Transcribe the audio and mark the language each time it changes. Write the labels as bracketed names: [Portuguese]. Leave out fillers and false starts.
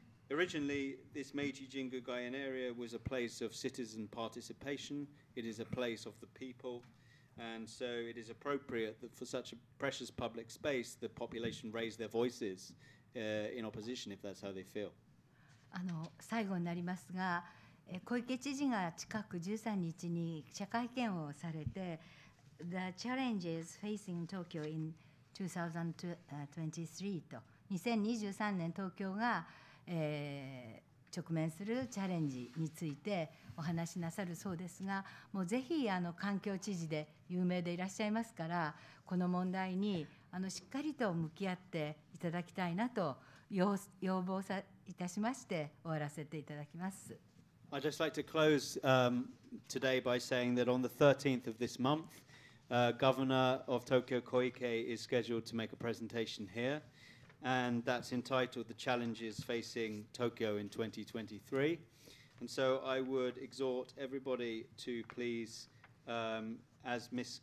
[English] Originally, this Meiji Jingu Gaien area was a place of citizen participation. It is a place of the people. And so it is appropriate that for such a precious public space, the population raise their voices in opposition if that's how they feel. [Japanese] 最後になりますが、小池知事が近く13日に記者会見をされて、 [English] The challenges facing Tokyo in 2023 [Japanese] と、2023年東京が直面するチャレンジについてお話しなさるそうですが、もうぜひ環境知事で有名でいらっしゃいますから、この問題にしっかりと向き合っていただきたいなと要望さいたしまして終わらせていただきます。 [English] I'd just like to close today by saying that on the 13th of this month, Governor of Tokyo Koike is scheduled to make a presentation here. And that's entitled The Challenges Facing Tokyo in 2023. And so I would exhort everybody to please, as Ms.